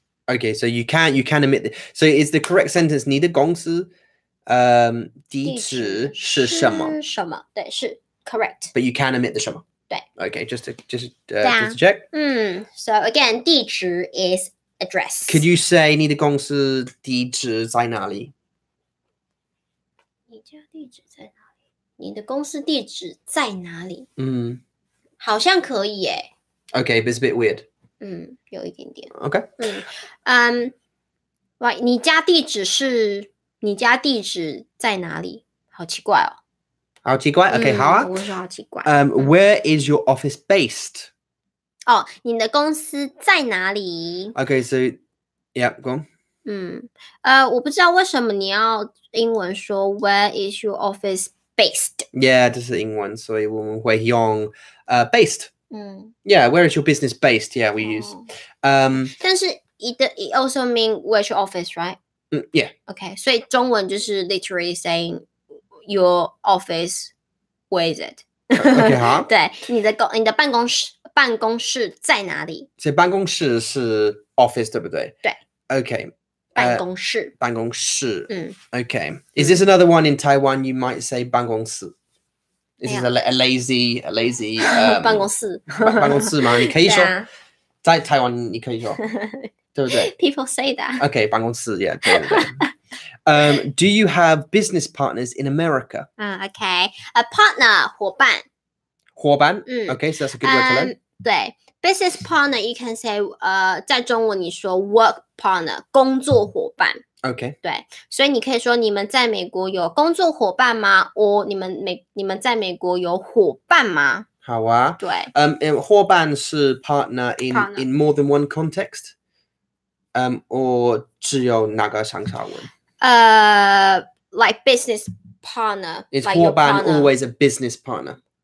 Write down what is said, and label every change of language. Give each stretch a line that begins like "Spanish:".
English: Okay, so you can omit the. So is the correct sentence
Chinese: 你的公司，地址是什么？什么？对，是 correct.
English: But you can omit the 什么？
Chinese: 对
English: okay, just to check. So again, 地址 is address. Could you say
Chinese: 你的公司地址在哪里？你家地址在哪里？你的公司地址在哪里？好像可以耶。
English: Okay, but it's a bit weird.
Chinese: 有一点点。
English: Okay.
Chinese: Right, 你家地址是你家地址在哪里？好奇怪哦。好奇怪 okay, 好啊。我说好奇怪。
English: Where is your office based?
Chinese: 哦、oh, ，你的公司在哪里
English: ？Okay, so, yeah, go on.
Chinese: 我不知道为什么你要英文说
English: Where is your office based?
Chinese: Yeah, 这是英文，所以我们会用based.
English: Yeah, where is your business based? Yeah, we use. 但是 it also mean where's your office, right? Yeah.
Chinese: Okay, 所以中文就是
English: literally saying. Your office, where is it? Okay,
Chinese: huh? 对，你的办公室在哪里？所以办公室是 office, 对不对？对。
English: Okay.
Chinese: 办公室。
English: Okay. Is this another one in Taiwan? You might say 办公室。 Is this a lazy
Chinese: 办公室？办公室吗？你可以说在台湾，你可以说，对不对
English: ？People say that. Okay, 办公室 yeah, 对。 do you have business partners in America? Okay. A partner, 伙伴。
Chinese: 伙伴。
English: Okay, so that's a good word to learn.
Chinese: 对。
English: Business partner, you can say,
Chinese: 在中文你说
English: work partner, 工作伙伴。 Okay.
Chinese: 对。所以你可以说你们在美国有工作伙伴吗 or 你们在美国有伙伴吗好啊。对。
English: 伙伴是 partner in more than one context?
Chinese: Or 只有那个上下文。
English: Like business partner. Is 伙伴 always a business partner?